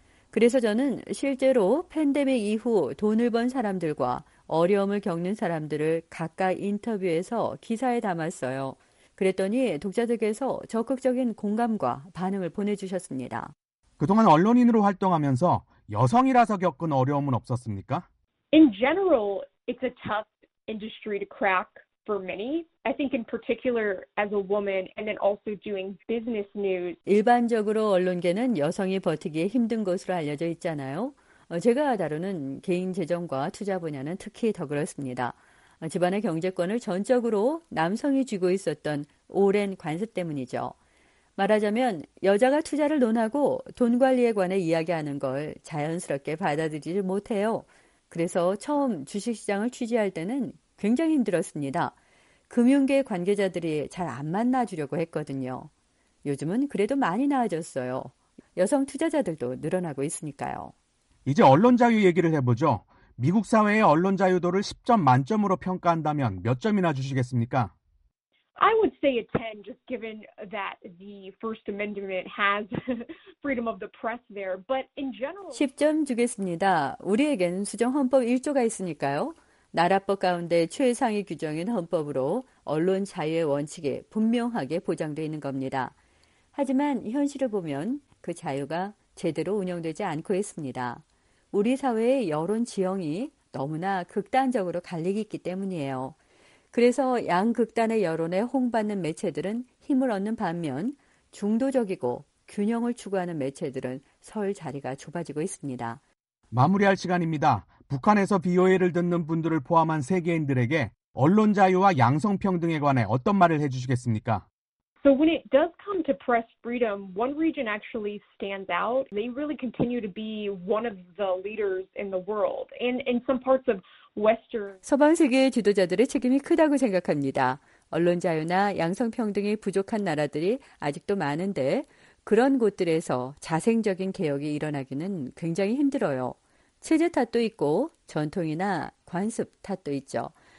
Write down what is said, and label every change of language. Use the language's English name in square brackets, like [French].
[Korean] 그래서 저는 실제로 팬데믹 이후 돈을 번 사람들과 어려움을 겪는 사람들을 각각 인터뷰해서 기사에 담았어요. 그랬더니 독자들께서 적극적인 공감과 반응을 보내주셨습니다. 그동안 언론인으로 활동하면서 여성이라서 겪은 어려움은 없었습니까? [English] In general, it's a tough industry to crack for many. I think in particular as a woman and then also doing business news. [Korean] 일반적으로 언론계는 여성이 버티기에 힘든 것으로 알려져 있잖아요. 제가 다루는 개인 재정과 투자 분야는 특히 더 그렇습니다. 집안의 경제권을 전적으로 남성이 쥐고 있었던 오랜 관습 때문이죠. 말하자면 여자가 투자를 논하고 돈 관리에 관해 이야기하는 걸 자연스럽게 받아들이지 못해요. 그래서 처음 주식시장을 취재할 때는 굉장히 힘들었습니다. 금융계 관계자들이 잘 안 만나주려고 했거든요. 요즘은 그래도 많이 나아졌어요. 여성 투자자들도 늘어나고 있으니까요. 이제 언론 자유 얘기를 해보죠. 미국 사회의 언론 자유도를 10점 만점으로 평가한다면 몇 점이나 주시겠습니까? [English] I would say a 10 just given that the First Amendment has freedom of the press there. But in general, [Korean] 10점 주겠습니다. 우리에게는 수정 헌법 1조가 있으니까요. 나라법 가운데 최상위 규정인 헌법으로 언론 자유의 원칙이 분명하게 보장되어 있는 겁니다. 하지만 현실을 보면 그 자유가 제대로 운영되지 않고 있습니다. 우리 사회의 여론 지형이 너무나 극단적으로 갈리기 있기 때문이에요. 그래서 양극단의 여론에 홍받는 매체들은 힘을 얻는 반면 중도적이고 균형을 추구하는 매체들은 설 자리가 좁아지고 있습니다. 마무리할 시간입니다. 북한에서 BOA를 듣는 분들을 포함한 세계인들에게 언론 자유와 양성평등에 관해 어떤 말을 해주시겠습니까? [English] So when it does come to press freedom, one region actually stands out. They really continue to be one of the leaders in the world. And in some parts of Western [Korean] 서방 세계의 지도자들의 책임이 크다고 생각합니다. 언론 자유나 양성평등이 부족한 나라들이 아직도 많은데 그런 곳들에서 자생적인 개혁이 일어나기는 굉장히 힘들어요. 체제 탓도 있고 전통이나 관습 탓도 있죠.